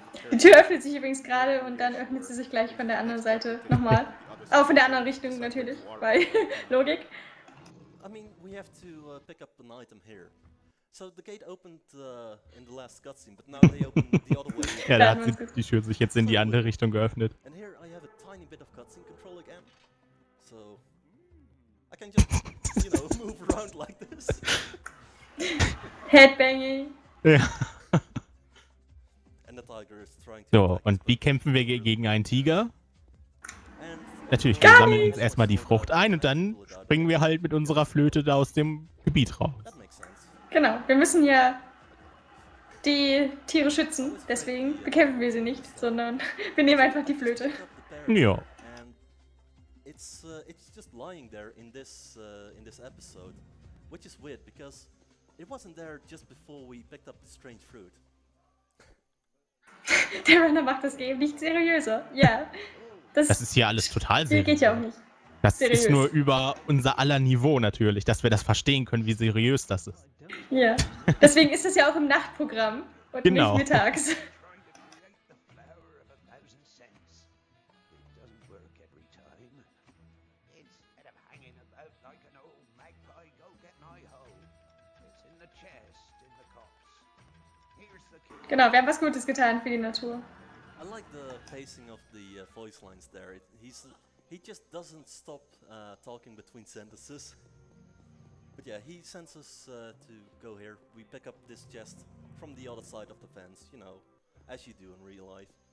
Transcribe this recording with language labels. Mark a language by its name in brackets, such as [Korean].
[German] Die Tür öffnet sich übrigens gerade und dann öffnet sie sich gleich von der anderen Seite nochmal. Auch von der anderen Richtung natürlich, bei Logik. [English] I mean, we have to pick up an item here. So the gate opened in the last cutscene, but now they opened the other way. [German] Ja, da hat die Tür sich jetzt in die andere Richtung geöffnet. [English] And here I have a tiny bit of cutscene control again. So I can just, you know, move around like this. Headbanging. [German] Ja. [English] And the tiger is trying to. [German] So, und wie kämpfen wir gegen einen Tiger? Natürlich, wir sammeln uns erstmal die Frucht ein und dann springen wir halt mit unserer Flöte da aus dem Gebiet raus. Genau, wir müssen ja die Tiere schützen, deswegen bekämpfen wir sie nicht, sondern wir nehmen einfach die Flöte. Ja. [English] It's just lying there in this episode, which is weird because it wasn't there just before we picked up the strange fruit. [German] Der Runner macht das Game nicht seriöser. Ja. Das ist hier alles total seriös. Geht ja auch nicht. Das seriös. Ist nur über unser aller Niveau natürlich, dass wir das verstehen können, wie seriös das ist. Ja, deswegen ist es ja auch im Nachtprogramm und genau. Nicht mittags. Genau, wir haben was Gutes getan für die Natur. [English] I like the pacing of the voice lines there. He just doesn't stop talking between sentences. But yeah, he sends us to go here. We pick up this chest from the other side of the fence, you know, as you do in real life.